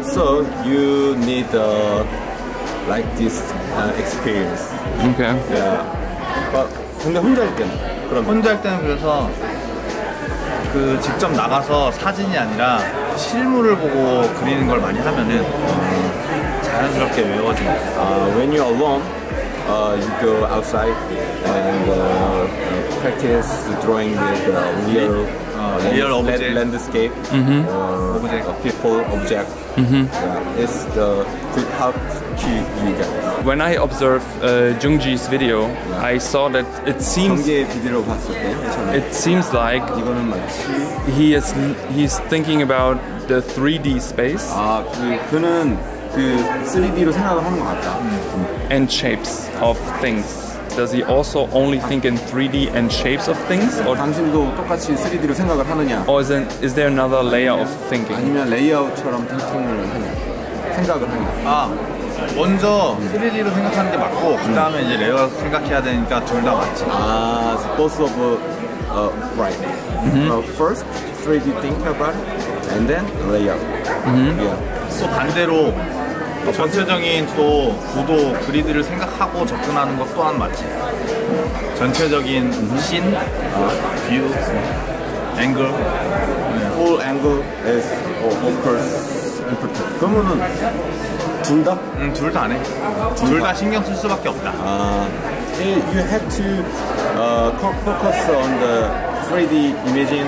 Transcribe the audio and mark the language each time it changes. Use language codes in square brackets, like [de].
[en] So you need like this experience. Okay. Yeah. But [ko] 근데 혼자 할 때는 그럼 혼자 할 때는 그래서 그 직접 나가서 사진이 아니라 실물을 보고 그리는 걸 많이 하면은 자연스럽게 외워진다. [en] When you're alone, you go outside and practice drawing with real object. Landscape mm-hmm. or object. A people object. Mm-hmm. Yeah, it's the to help you guys. When I observe Jung Gi's video, yeah. I saw that it seems. [ko] 경계 비디오 봤을 때. [en] It seems like. [ko] 이거는 마치. [en] He's thinking about the 3D space. [ko] 아, 그는 그 3D로 생각을 하는 것 같다. [en] And shapes of things. Does he also only think in 3D and shapes of things? Or [ko] 당신도 똑같이 3D로 생각을 하느냐? [en] Or is there another layer 아니면, of thinking? [ko] 아니면 레이아웃처럼 thinking을 하냐? 생각을 하냐? 아, 먼저 3D로 생각하는 게 맞고 그다음에 이제 레이아웃 생각해야 되니까 둘 다 맞지. [en] 아, both of right. Mm-hmm. First 3D think about it, and then layout. Mm-hmm. Yeah. [ko] 또 반대로 전체적인 또 구도, 그리드를 생각하고 접근하는 것 또한 맞지. 전체적인 신, 아, 뷰, 앵글. [en] Full angle is of course important. [ko] 그러면은 둘 다? 응, 둘 다 안 해. 둘 다 신경 쓸 수밖에 없다. [en] You have to focus on the 3D imaging